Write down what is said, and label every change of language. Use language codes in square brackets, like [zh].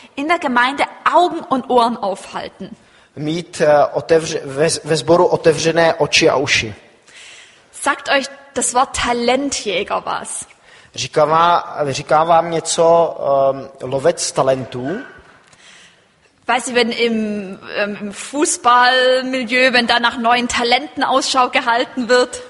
[de] in der Gemeinde Augen und Ohren aufhalten. [cs] Mít ve sboru otevřené oči a uši. [de] Sagt euch das Wort Talentjäger was? [cs] Říká vám něco lovec talentů? [de] Weiß ich, wenn im Fußballmilieu, wenn da nach neuen Talenten Ausschau gehalten wird.